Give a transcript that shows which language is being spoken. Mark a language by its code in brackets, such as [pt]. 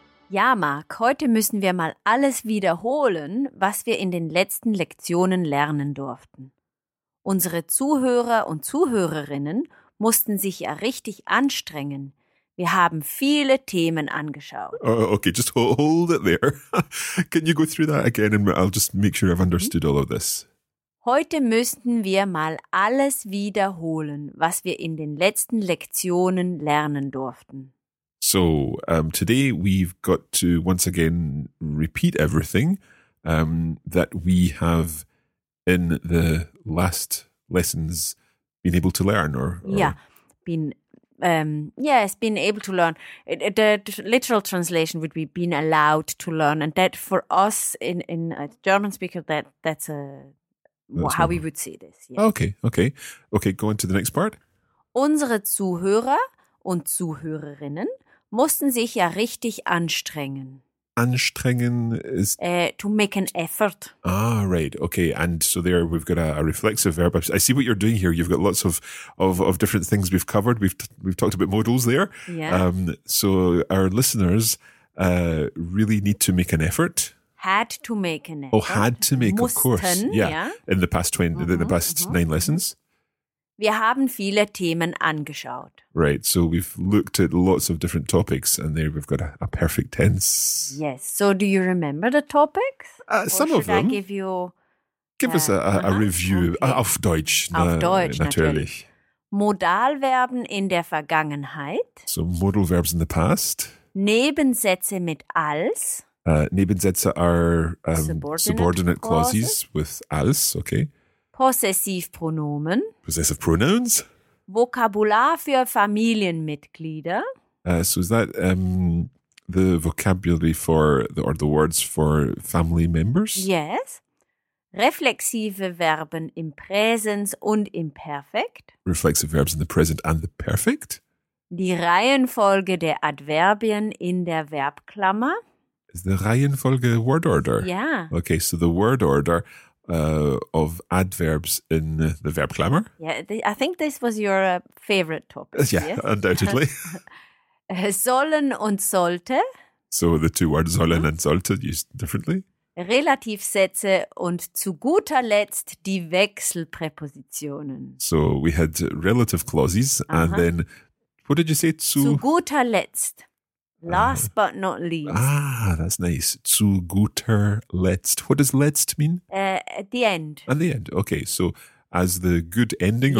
[de] Ja, Marc, heute müssen wir mal alles wiederholen, was wir in den letzten Lektionen lernen durften. Unsere Zuhörer und Zuhörerinnen mussten sich ja richtig anstrengen. Wir haben viele Themen angeschaut. [en] Okay, just hold it there. Can you go through that again and I'll just make sure I've understood all of this. [de] Heute müssten wir mal alles wiederholen, was wir in den letzten Lektionen lernen durften. [en] So, today we've got to once again repeat everything that we have in the last lessons been able to learn. Been able to learn. The literal translation would be been allowed to learn. And that for us in a German speaker, that's how we would say this. Yes. Okay. Go on to the next part. [de] Unsere Zuhörer und Zuhörerinnen mussten sich ja richtig anstrengen. [en] Anstrengen is to make an effort. Ah, right. Okay. And so there we've got a reflexive verb. I see what you're doing here. You've got lots of different things we've covered. We've talked about modals there. Yeah. So our listeners really need to make an effort. Had to make an effort. Oh, had to make, [de] mussten, [en] of course. Yeah. In the past 20, mm-hmm, in the past mm-hmm. 9 lessons. [de] Wir haben viele Themen angeschaut. [en] Right, so we've looked at lots of different topics and there we've got a perfect tense. Yes, so do you remember the topics? Some or of them. Should I give you... Give us a review. Okay. [de] Auf Deutsch. Auf Deutsch, natürlich. Modalverben in der Vergangenheit. [en] So modal verbs in the past. [de] Nebensätze mit als. [en] Nebensätze are subordinate clauses with als, okay. [de] Possessivpronomen. [en] Possessive pronouns. [de] Vokabular für Familienmitglieder. [en] So is that the vocabulary for the words for family members? Yes. [de] Reflexive Verben im Präsens und im Perfekt. [en] Reflexive verbs in the present and the perfect. [de] Die Reihenfolge der Adverbien in der Verbklammer. [en] Is the Reihenfolge word order? Yeah. Okay, so the word order of adverbs in the verb klammer. Yeah, I think this was your favorite topic. Yeah, yes? Undoubtedly. [de] Sollen und sollte. [en] So the two words sollen mm-hmm. and sollte used differently. [de] Relativsätze und zu guter Letzt die Wechselpräpositionen. [en] So we had relative clauses uh-huh. and then, what did you say? [de] Zu guter Letzt. [en] Last but not least. Ah, that's nice. [de] Zu guter Letzt. [en] What does Letzt mean? At the end. At the end. Okay, so as the good ending or